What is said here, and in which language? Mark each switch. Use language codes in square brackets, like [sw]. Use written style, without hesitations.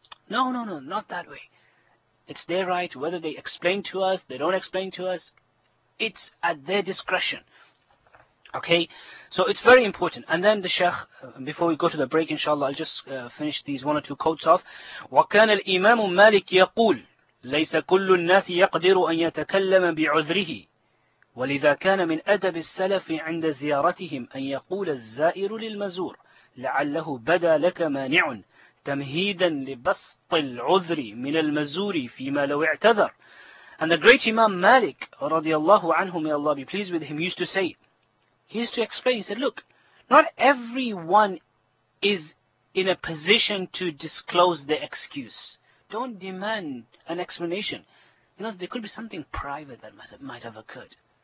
[en] No, not that way. It's their right, whether they explain to us, they don't explain to us, it's at their discretion. Okay, so it's very important. And then the Shaykh, before we go to the break, inshallah, I'll just finish these one or two quotes off. [ar] وَكَانَ الْإِمَامُ مَالِكِ يَقُولُ لَيْسَ كُلُّ النَّاسِ يَقْدِرُ أَنْ يَتَكَلَّمَ بِعُذْرِهِ وَلِذَا كَانَ مِنْ أَدَبِ السَّلَفِ عِنْدَ زِيَارَتِهِمْ أَنْ يَقُولَ الزَّائِرُ لِلْمَزُورِ لَعَلَّهُ بَدَى لَكَ مَانِعٌ تمهيدا لبسط العذر من المزور فيما لو اعتذر. [en] And the great Imam Malik, radiallahu anhu, may Allah be pleased with him, used to say, he used to explain, he said, look, not everyone is in a position to disclose the excuse. Don't demand an explanation. You know, there could be something private that might have occurred.